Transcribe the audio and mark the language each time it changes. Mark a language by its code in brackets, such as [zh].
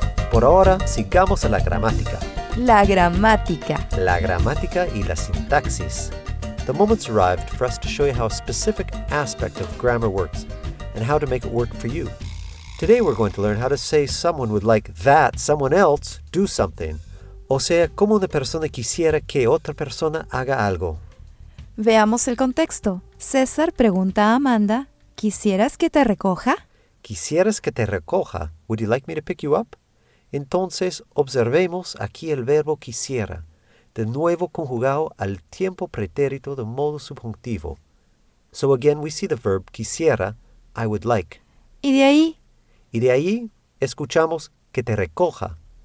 [es] Por ahora, sigamos a la gramática. La gramática. La gramática y la sintaxis. [en] The moment's arrived for us to show you how a specific aspect of grammar works and how to make it work for you. Today we're going to learn how to say someone would like that someone else do something. [es] O sea, como una persona quisiera que otra persona haga algo. Veamos el contexto. César pregunta a Amanda, ¿quisieras que te recoja? ¿Quisieras que te recoja? [en] Would you like me to pick you up? [es] Entonces, observemos aquí el verbo quisiera, de nuevo conjugado al tiempo pretérito de modo subjuntivo. [en] So again, we see the verb quisiera I would like. [es] ¿Y de ahí? Y de ahí, escuchamos que te recoja.